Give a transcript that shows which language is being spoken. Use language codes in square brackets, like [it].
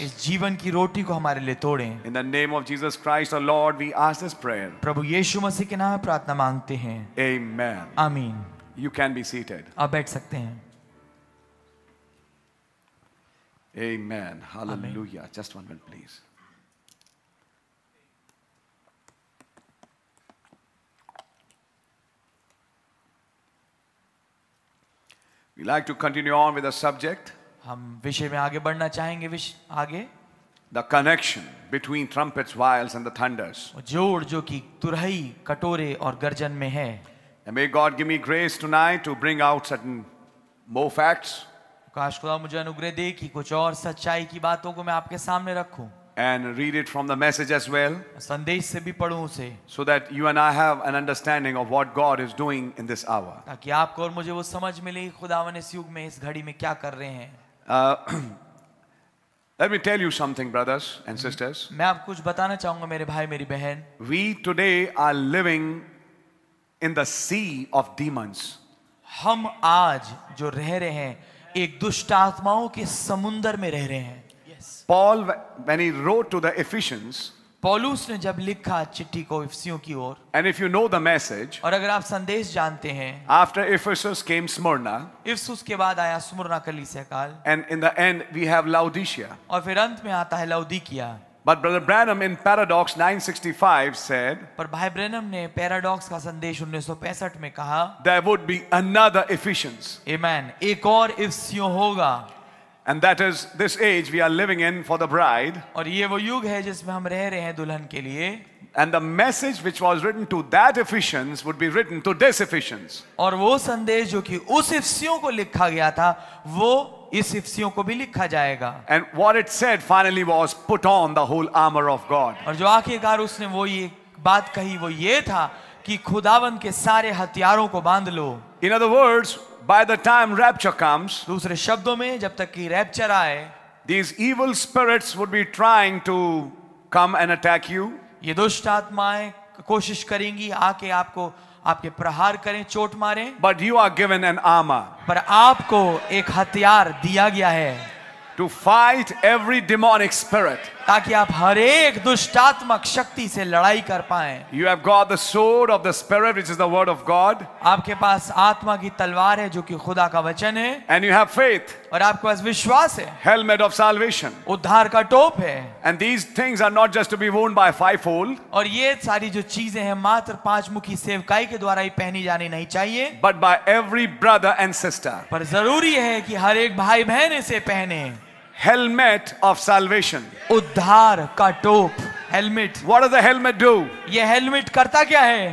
[hi] इस जीवन की रोटी को हमारे लिए तोड़ें। [en] In the name of Jesus Christ, our Lord, we ask this prayer. [hi] प्रभु यीशु मसीह के नाम प्रार्थना मांगते हैं। [en] Amen. [hi] आमीन। [en] You can be seated. [hi] आप बैठ सकते हैं। [en] Amen. Hallelujah. Amen. Just one minute, please. We like to continue on with the subject. [hi] हम विषय में आगे बढ़ना चाहेंगे विषय आगे। [en] The connection between trumpets, vials, and the thunders. [hi] जोड़ जो कि तुरही, कटोरे और गर्जन में है। [en] And may God give me grace tonight to bring out certain more facts. [hi] काश खुदा मुझे अनुग्रह दे कि कुछ और सच्चाई की बातों को मैं आपके सामने रखूं। [en] And read it from the message as well. [hi] संदेश से भी पढूं उसे। [en] So that you and I have an understanding of what God is doing in this hour. [hi] ताकि आपको और मुझे वो समझ मिले खुदावन इस युग में इस घड़ी में क्या कर रहे हैं। [en] Let me tell you something, brothers and sisters. [hi] मैं आपको कुछ बताना चाहूंगा मेरे भाई मेरी बहन। [en] We today are living in the sea of demons. [hi] हम आज जो रह रहे हैं एक दुष्ट आत्माओं के समुंदर में रह रहे हैं। [en] Paul, when he wrote to the Ephesians, [hi] Paulus ने जब लिखा चिट्ठी को इफिसियों की ओर, [en] and if you know the message, [hi] और अगर आप संदेश जानते हैं, [en] after Ephesus came Smyrna, [hi] Ephesus के बाद आया स्मुर्ना कलीसिया काल, [en] and in the end we have Laodicea, [hi] और फिर अंत में आता है लौदीकिया. [en] But Brother Branham in Paradox 965 said, [hi] पर भाई ब्रैनम ने पैराडॉक्स का संदेश 1965 में कहा, [en] there would be another Ephesians, [hi] amen, एक और इफिसियों होगा. [en] And that is this age we are living in for the bride. [hi] और ये वो युग है जिसमें हम रह रहे हैं दुल्हन के लिए. [en] And the message which was written to that Ephesians would be written to this Ephesians. [hi] और वो संदेश जो कि उस इफिसियों को लिखा गया था, वो इस इफिसियों को भी लिखा जाएगा. [en] And what it said finally was, put on the whole armor of God. [hi] और जो आखिरकार उसने वो ये बात कही, वो ये था कि खुदावन के सारे हथियारों को बांध लो. [en] In other words, by the time rapture comes, [hi] दूसरे शब्दों में जब तक कि rapture आए, [en] these evil spirits would be trying to come and attack you. [hi] ये दुष्ट आत्माएं कोशिश करेंगी आके आपको आपके प्रहार करें, चोट मारें. [en] But you are given an armor. [hi] पर आपको एक हथियार दिया गया है. [en] To fight every demonic spirit. [hi] ताकि आप हर एक दुष्टात्मक शक्ति से लड़ाई कर पाएं. [en] You have got the sword of the spirit, which is the word of God. [hi] आपके पास आत्मा की तलवार है जो कि खुदा का वचन है. [en] And you have faith. [hi] और आपके पास विश्वास है. [en] Helmet of salvation. [hi] उद्धार का टोप है. [en] And these things are not just to be worn by fivefold. [hi] और ये सारी जो चीजें हैं मात्र पांच मुखी सेवकाई के द्वारा ही पहनी जानी नहीं चाहिए. [en] But by every brother and sister. [hi] पर जरूरी है कि हर एक भाई बहन इसे पहने. [en] helmet of salvation. [hi] Udhar ka top. Helmet. [en] What does the helmet do? [hi] ये helmet करता क्या है?